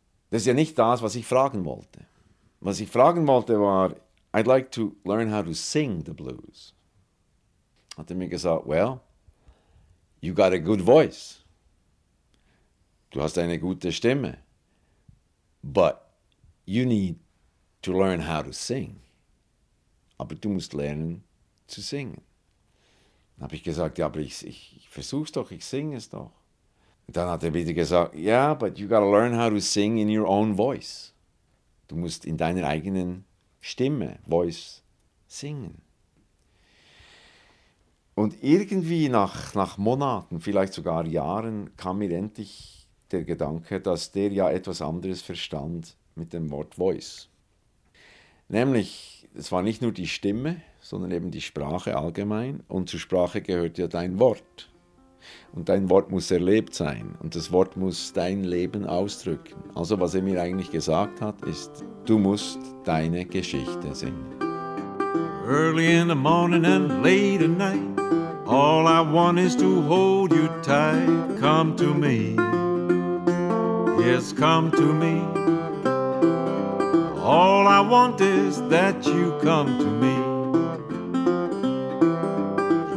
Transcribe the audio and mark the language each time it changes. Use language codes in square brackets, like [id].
[de] Das ist ja nicht das, was ich fragen wollte. Was ich fragen wollte war, [en] I'd like to learn how to sing the blues. [de] Hat er mir gesagt, [en] well, you got a good voice. [de] Du hast eine gute Stimme. [en] But you need to learn how to sing. [de] Aber du musst lernen zu singen. Dann habe ich gesagt, ja, aber ich versuch's doch, ich singe es doch. Und dann hat er wieder gesagt, [en] yeah, but you got to learn how to sing in your own voice. [de] Du musst in deiner eigenen Stimme, Voice, singen. Und irgendwie nach Monaten, vielleicht sogar Jahren, kam mir endlich der Gedanke, dass der ja etwas anderes verstand mit dem Wort Voice. Nämlich, es war nicht nur die Stimme, sondern eben die Sprache allgemein. Und zur Sprache gehört ja dein Wort. Und dein Wort muss erlebt sein. Und das Wort muss dein Leben ausdrücken. Also was er mir eigentlich gesagt hat, ist, du musst deine Geschichte singen. [en] Early in the morning and late at night, all I want is to hold you tight. Come to me, yes, come to me. All I want is that you come to me.